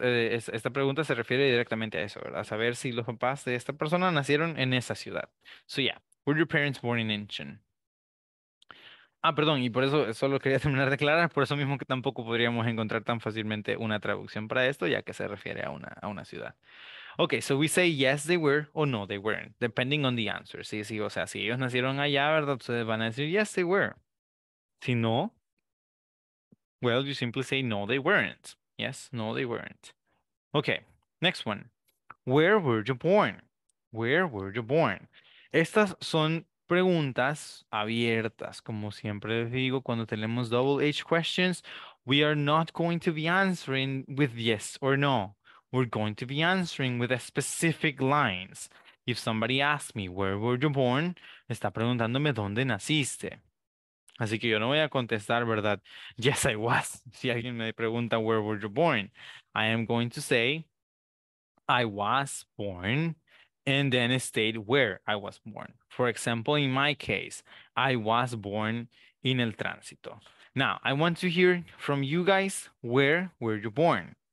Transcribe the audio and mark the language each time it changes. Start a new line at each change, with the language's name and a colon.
Spanish: Esta pregunta se refiere directamente a eso, ¿verdad? Saber si los papás de esta persona nacieron en esa ciudad.
English: So, yeah. Were your parents born in Incheon?
Spanish: Ah, perdón, y por eso solo quería terminar de aclarar, por eso mismo que tampoco podríamos encontrar tan fácilmente una traducción para esto, ya que se refiere a una ciudad.
English: Ok, so we say yes, they were,
Spanish: o no,
English: they weren't, depending on the answer.
Spanish: Sí, sí, o sea, si ellos nacieron allá, ¿verdad? Ustedes van a decir
English: yes, they were.
Spanish: Si no,
English: well, you simply say no, they weren't. Yes, no, they weren't. Okay, next one. Where were you born? Where were you born?
Spanish: Estas son preguntas abiertas. Como siempre les digo, cuando tenemos
English: double H questions, we are not going to be answering with yes or no. We're going to be answering with a specific lines. If somebody asks me, where were you born?
Spanish: Está preguntándome dónde naciste. Así que yo no voy a contestar, ¿verdad?
English: Yes, I was.
Spanish: Si alguien me pregunta,
English: where were you born? I am going to say, I was born, and then state where I was born. For example, in my case, I was born in El Tránsito. Now, I want to hear from you guys, where were you born?